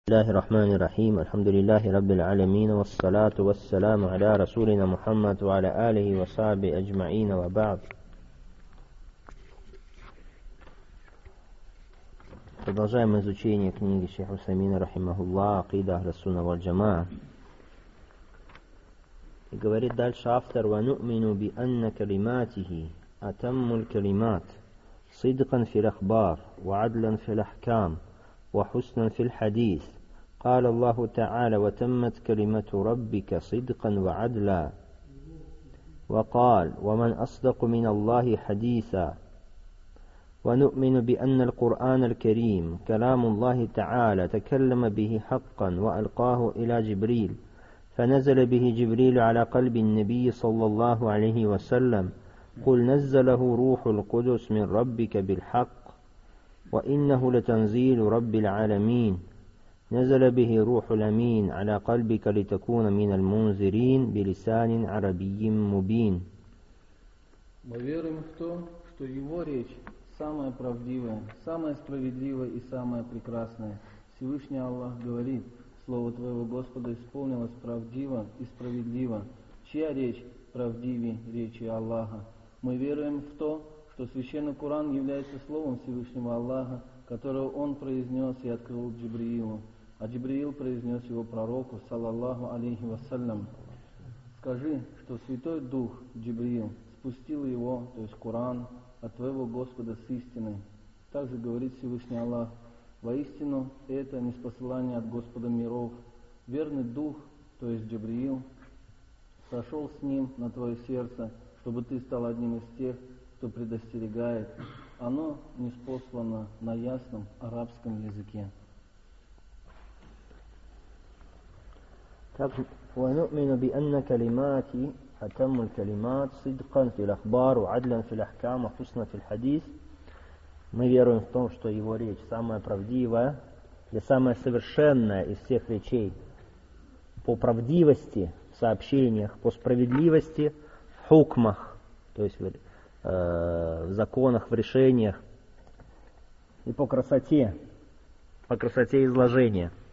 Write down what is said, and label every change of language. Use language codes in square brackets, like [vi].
[ar] بسم الله الرحمن الرحيم، الحمد لله رب العالمين، والصلاة والسلام على رسولنا محمد وعلى آله وصحبه أجمعين، وبعد. [ru] Продолжаем изучение книги Шейха Усаймина Рахимахуллах «Акида Ахлиссунна Валь-Джамаа». И говорит дальше автор: [ar] وَنُؤْمِنُ بِأَنَّ كَلِمَاتِهِ أَتَمُّ الْكَلِمَاتِ صِدْقًا فِي الْأَخْبَارِ وَعَدْلًا فِي الْأَحْكَامِ وَحُسْنًا فِي الْحَدِيثِ. قال الله تعالى: وتمت كلمة ربك صدقا وعدلا. وقال: ومن أصدق من الله حديثا. ونؤمن بأن القرآن الكريم كلام الله تعالى تكلم به حقا وألقاه إلى جبريل، فنزل به جبريل على قلب النبي صلى الله عليه وسلم، قل نزله روح القدس من ربك بالحق، وإنه لتنزيل رب العالمين، نزل به روح الأمين على قلبك لتكون من المنذرين بلسان عربي مبين. [ru] Мы верим в то, что его речь самая правдивая, самая справедливая и самая прекрасная. Всевышний Аллах говорит: слово твоего Господа исполнилось правдиво и справедливо. Чья речь правдивее речи Аллаха? Мы веруем в то, что священный Коран является словом Всевышнего Аллаха, которое он произнес и открыл Джибриилу. А Джибриил произнес его пророку, саллаллаху алейхи вассалям. Скажи, что Святой Дух Джибриил спустил его, то есть Коран, от твоего Господа с истиной. Также говорит Всевышний Аллах: воистину, это ниспосылание от Господа миров. Верный Дух, то есть Джибриил, сошел с ним на твое сердце, чтобы ты стал одним из тех, кто предостерегает. Оно ниспослано на ясном арабском языке. [ar] ونؤمن بأن كلماتي أتم الكلمات صدقا في الأخبار وعدلا في الأحكام وحسنا في الحديث. [ru] Мы веруем в том, что его речь самая правдивая и самая совершенная из всех речей по правдивости в сообщениях, по справедливости в хукмах, то есть в законах, в решениях, и по красоте изложения.